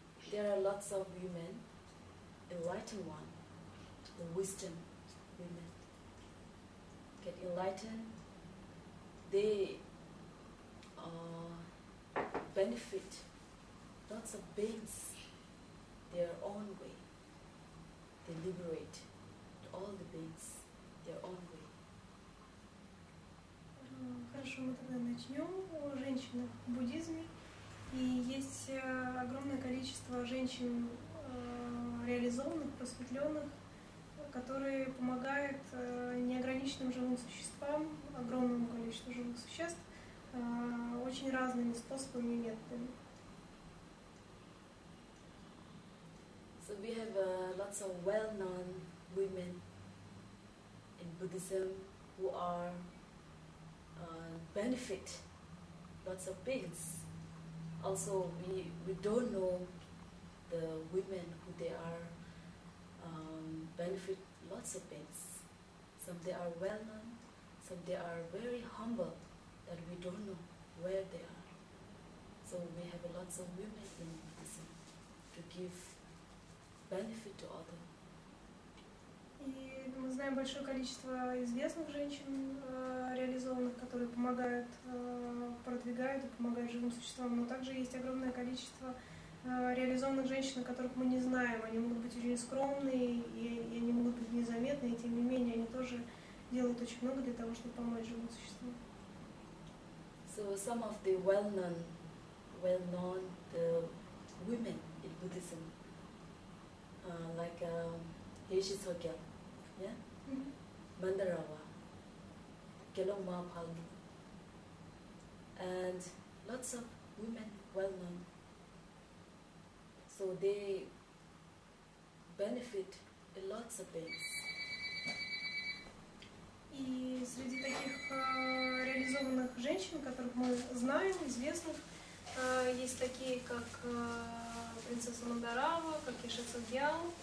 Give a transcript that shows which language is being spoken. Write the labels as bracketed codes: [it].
[en] There are lots of women, enlightened one, the wisdom women get enlightened. They benefit lots of beings their own way. They liberate all the beings their own way. [ru] Хорошо, мы тогда начнем о женщинах в буддизме. И есть огромное количество женщин реализованных, просветленных, которые помогают неограниченным живым существам, огромному количеству живых существ, очень разными способами и методами. [en] So we have lots of well-known women in Buddhism who are benefit lots of beings. Also, we don't know the women who they are benefit lots of beings. Some they are well known, some they are very humble that we don't know where they are. So we have lots of women in Buddhism to give benefit to others. [ru] И мы знаем большое количество известных женщин, реализованных, которые помогают, продвигают и помогают живым существам, но также есть огромное количество реализованных женщин, о которых мы не знаем. Они могут быть очень скромные, и они могут быть незаметны, и тем не менее они тоже делают очень много для того, чтобы помочь живым существам. [en] So some of the well-known, the women in Buddhism, like Heishi Sogyal, Mandarawa, Gelongma Palmu, and lots of women well known. So they benefit a lot of things. [ru] И среди таких реализованных женщин, которых мы знаем, известных, есть такие, как принцесса Мандарава, как Heishi Sogyal.